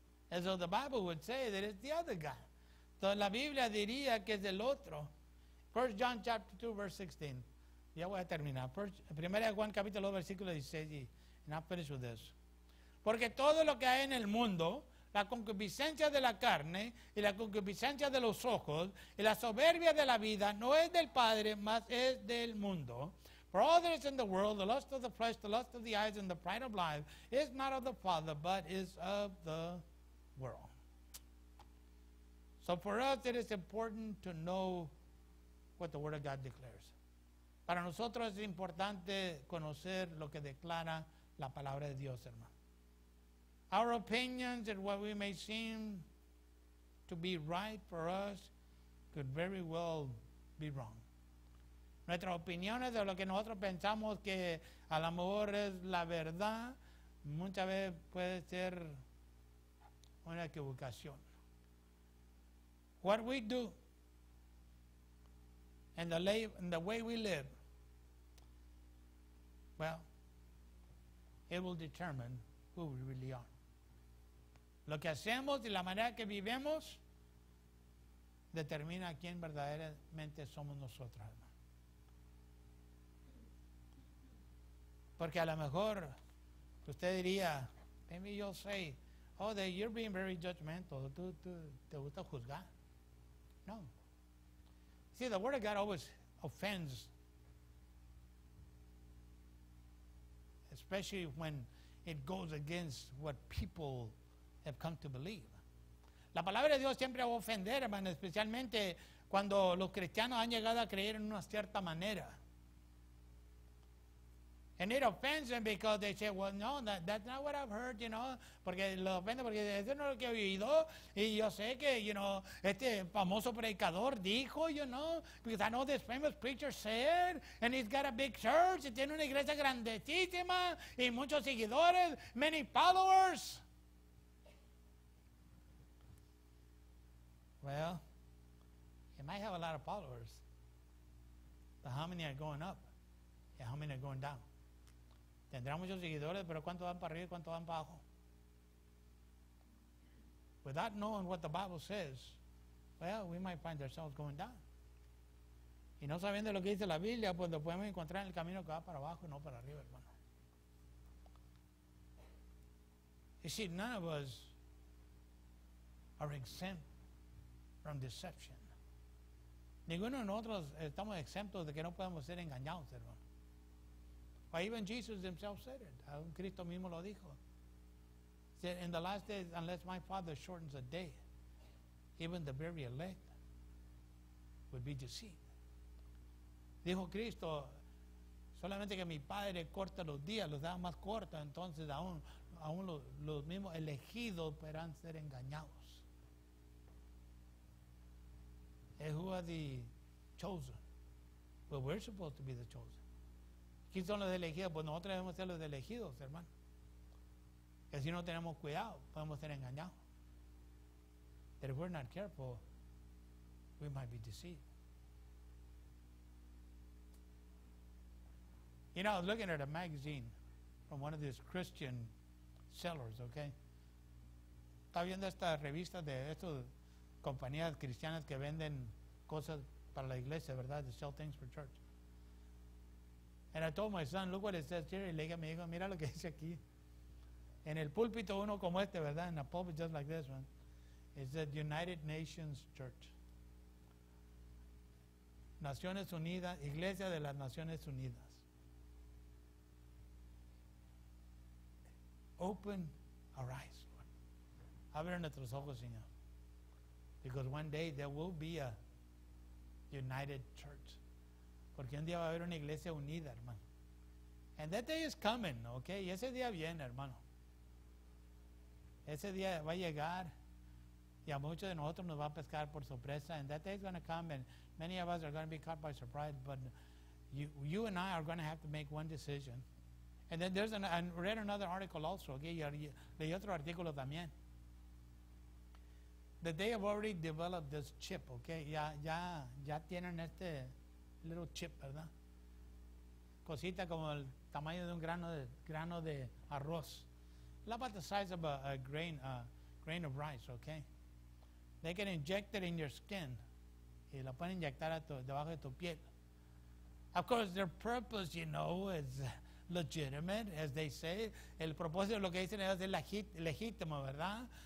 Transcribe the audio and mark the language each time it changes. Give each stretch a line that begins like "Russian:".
English: And so the Bible would say that it's the other guy.
Spanish: So la Biblia diría que es el otro.
English: 1 John chapter 2, verse 16.
Spanish: Ya voy a terminar. 1 Juan capítulo 2, versículo 16.
English: And I'll finish with this.
Spanish: Porque todo lo que hay en el mundo, la concupiscencia de la carne y la concupiscencia de los ojos y la soberbia de la vida no es del Padre, mas es del mundo.
English: For all that is in the world, the lust of the flesh, the lust of the eyes, and the pride of life, is not of the Father, but is of the world. So for us, it is important to know what the Word of God declares.
Spanish: Para nosotros es importante conocer lo que declara la palabra de Dios, hermano.
English: Our opinions and what we may seem to be right for us could very well be wrong.
Spanish: Nuestras opiniones de lo que nosotros pensamos que a lo mejor es la verdad, muchas veces puede ser una equivocación.
English: What we do and the way we live, well, it will determine who we really are.
Spanish: Lo que hacemos y la manera que vivimos determina quién verdaderamente somos nosotros, hermano. Porque a lo mejor usted diría,
English: maybe you'll say, oh, that you're being very judgmental.
Spanish: ¿Tú te gusta juzgar? No.
English: See, the Word of God always offends, especially when it goes against what people have come to believe.
Spanish: La palabra de Dios siempre va a ofender, hermano, especialmente cuando los cristianos han llegado a creer en una cierta manera.
English: And it offends them because they say, well, no, that's not what I've heard, you know.
Spanish: Porque lo ofende porque eso no es lo que he oído. Y yo sé que,
English: you know,
Spanish: este famoso predicador dijo,
English: you know, because I know this famous preacher said, and he's got a big church,
Spanish: y tiene una iglesia grandísima, y muchos seguidores,
English: many followers. Well, you might have a lot of followers, but how many are going up? And how many are going down?
Spanish: Tendrá muchos seguidores, pero ¿cuántos van para arriba y cuántos van para abajo?
English: Without knowing what the Bible says, well, we might find ourselves going down.
Spanish: Y no sabiendo lo que dice la Biblia, pues lo podemos encontrar en el camino que va para abajo y no para arriba, hermano.
English: You see, none of us are exempt from deception.
Spanish: Ninguno de nosotros estamos exentos de que no podamos ser engañados, hermano.
English: Why, even Jesus himself said it.
Spanish: Cristo mismo lo dijo.
English: He said, in the last days, unless my Father shortens a day, even the very elect would be deceived.
Spanish: Dijo Cristo, solamente que mi Padre corta los días, los da más cortos, entonces aún los mismos elegidos podrán ser engañados.
English: And who are the chosen? Well, we're supposed to be the chosen.
Spanish: ¿Quién son los elegidos? Pues nosotros debemos ser los elegidos, hermano. Que si no tenemos cuidado, podemos ser engañados.
English: If we're not careful, we might be deceived. You know, I was looking at a magazine from one of these Christian sellers, okay?
Spanish: Estaba viendo esta revista de estas compañías cristianas que venden cosas para la iglesia, ¿verdad?
English: To sell things for church. And I told my son, look what it says here.
Spanish: Y le dije a mi hijo, mira lo que dice aquí. En el púlpito uno como este, ¿verdad?
English: In a pulpit just like this one. It says, United Nations Church.
Spanish: Naciones Unidas, Iglesia de las Naciones Unidas.
English: Open our eyes, Lord.
Spanish: Abre nuestros ojos, Señor.
English: Because one day there will be a United Church.
Spanish: Porque un día va a haber una iglesia unida, hermano.
English: And that day is coming, okay?
Spanish: Y ese día viene, hermano. Ese día va a llegar y a muchos de nosotros nos va a pescar por sorpresa.
English: And that day is going to come and many of us are going to be caught by surprise. But you and I are going to have to make one decision. And then there's I read another article also, okay?
Spanish: Leí otro artículo también.
English: That they have already developed this chip, okay?
Spanish: Ya tienen este
English: little chip,
Spanish: ¿verdad? Cosita como el tamaño de un grano de arroz.
English: About the size of a grain of rice, okay? They can inject it in your skin.
Spanish: Y la pueden inyectar debajo de tu piel.
English: Of course, their purpose, you know, is legitimate, as they say.
Spanish: El propósito de lo que dicen es legítimo, ¿verdad?